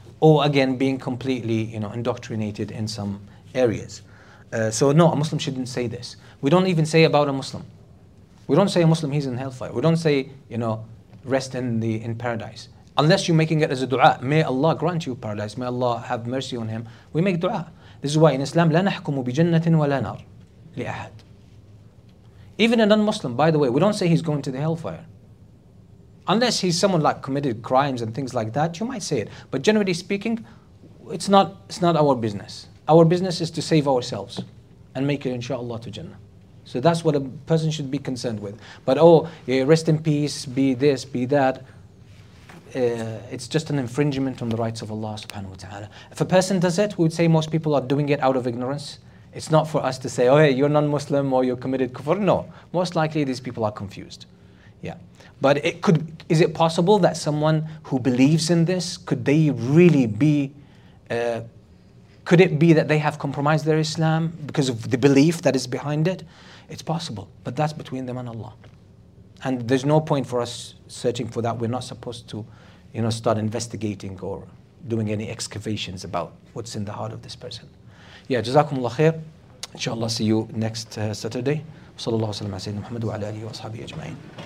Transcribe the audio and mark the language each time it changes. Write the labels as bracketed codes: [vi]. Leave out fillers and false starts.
[en] Or again, being completely indoctrinated in some areas. So no, a Muslim shouldn't say this. We don't even say about a Muslim. We don't say a Muslim he's in hellfire. We don't say rest in paradise. Unless you're making it as a dua, may Allah grant you paradise, may Allah have mercy on him, we make dua. This is why in Islam, [ar] لا نحكم بجنة ولا نار لأحد. [en] Even a non-Muslim, by the way, we don't say he's going to the hellfire. Unless he's someone like committed crimes and things like that, you might say it. But generally speaking, it's not our business. Our business is to save ourselves and make it, inshallah, to Jannah. So that's what a person should be concerned with. But rest in peace, be this, be that. It's just an infringement on the rights of Allah subhanahu wa ta'ala. If a person does it, we would say most people are doing it out of ignorance. It's not for us to say, hey, you're non-Muslim or you're committed kufr. No, most likely these people are confused. Yeah, but is it possible that someone who believes in this, could they really be, could it be that they have compromised their Islam because of the belief that is behind it? It's possible, but that's between them and Allah. And there's no point for us searching for that. We're not supposed to, start investigating or doing any excavations about what's in the heart of this person. Yeah, jazakumullah khair. Inshallah, see you next Saturday. [ar] صلى الله وسلم على سيدنا محمد وعلى آله وصحبه أجمعين.